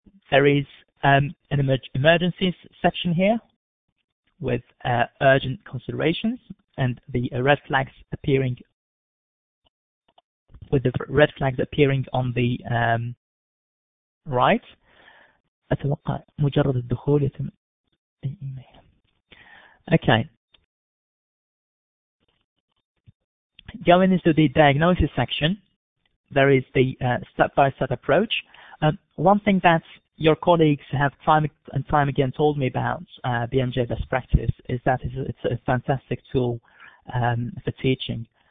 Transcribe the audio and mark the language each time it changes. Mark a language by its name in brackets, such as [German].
[English] There is an emergencies section here with urgent considerations and the red flags appearing with the red flags appearing on the right. [Arabic] أتوقع مجرد الدخول يتم الإيميل. [English] Okay. Going into the diagnosis section, there is the step-by-step approach. One thing that your colleagues have time and time again told me about BMJ Best Practice is that it's a fantastic tool for teaching.